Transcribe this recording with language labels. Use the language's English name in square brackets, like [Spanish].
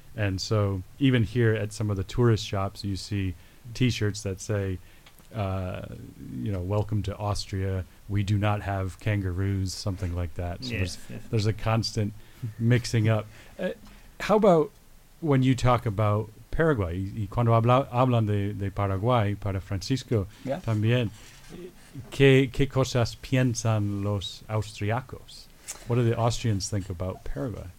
[English] And so even here at some of the tourist shops, you see T-shirts that say, welcome to Austria. We do not have kangaroos, something like that. So there's a constant mixing up. How about when you talk about Paraguay? [Spanish] Y cuando hablan de Paraguay, para Francisco, yeah, también, ¿qué cosas piensan los austriacos? [English] What do the Austrians think about Paraguay?